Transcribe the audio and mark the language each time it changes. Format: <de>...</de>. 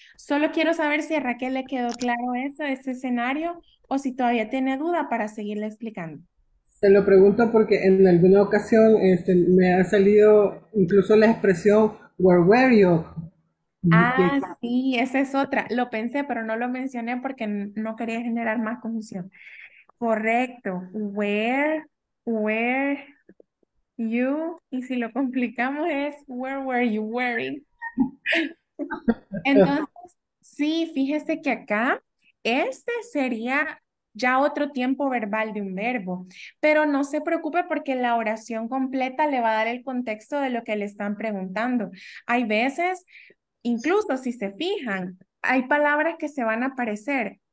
<es>Solo quiero saber si a Raquel le quedó claro eso, ese escenario, o si todavía tiene duda para seguirle explicando. Te lo pregunto porque en alguna ocasión me ha salido incluso la expresión</es> <en>where Ah, were</en> <es>sí, esa es otra. Lo pensé, pero no lo mencioné porque no quería generar más confusión. Correcto.</es> <en>Where you,</en> <es>y si lo complicamos es</es> <en>where were you wearing. you?</en> <es>Entonces, sí, fíjese que acá este sería ya otro tiempo verbal de un verbo, pero no se preocupe porque la oración completa le va a dar el contexto de lo que le están preguntando. Hay veces, incluso si se fijan, hay palabras que se van a parecer.</es>